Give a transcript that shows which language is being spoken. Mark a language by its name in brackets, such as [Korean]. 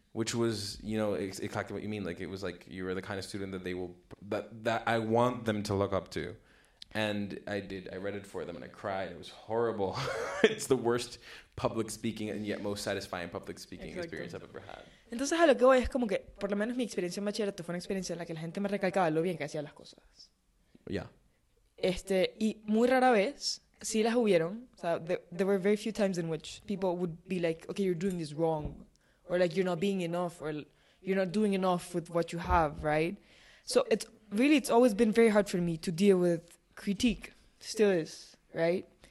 [English] which was, you know, exactly what you mean. Like it was like you were the kind of student that they will, that I want them to look up to. And I did. I read it for them and I cried. It was horrible. It's the worst public speaking and yet most satisfying public speaking experience I've ever had. [Spanish] Entonces a lo que voy es como que, por lo menos mi experiencia en bachillerato fue una experiencia en la que la gente me recalcaba lo bien que hacía las cosas. Ya. Yeah. Y muy rara vez, sí las hubieron, o sea, [English] there were very few times in which people would be like, okay, you're doing this wrong, or like, you're not being enough, or you're not doing enough with what you have, right? So it's really, it's always been very hard for me to deal with critique, still is, right?